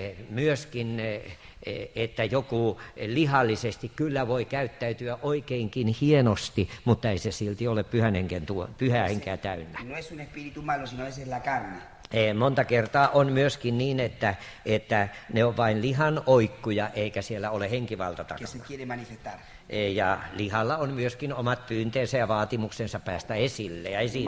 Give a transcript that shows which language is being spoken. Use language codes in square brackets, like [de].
[fi] Myöskin, että joku lihallisesti kyllä voi käyttäytyä oikeinkin hienosti, mutta ei se silti ole pyhää henkeä täynnä. [es] No es un espíritu malo, sino es la carne. [fi] Monta kertaa on myöskin niin, että ne on vain lihan oikkuja, eikä siellä ole henkivalta takana. Ja lihalla on myöskin omat pyynteensä ja vaatimuksensa päästä esille ja